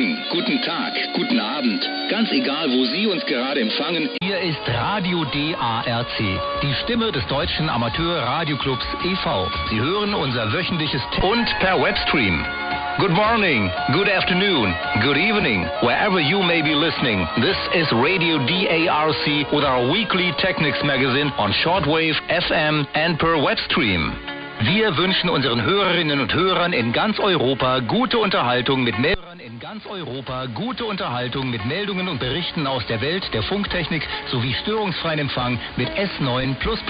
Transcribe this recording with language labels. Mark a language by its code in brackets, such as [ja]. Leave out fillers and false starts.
[de] Guten Tag, guten Abend, ganz egal, wo Sie uns gerade empfangen. Hier ist Radio DARC, die Stimme des deutschen Amateur-Radioclubs e.V. Sie hören unser wöchentliches und per Webstream. [en] Good morning, good afternoon, good evening, wherever you may be listening. This is Radio DARC with our weekly Technics Magazine on Shortwave, FM and per Webstream. [de] Wir wünschen unseren Hörerinnen und Hörern in ganz Europa gute Unterhaltung mit Meldungen und Berichten aus der Welt der Funktechnik sowie störungsfreien Empfang mit S9++.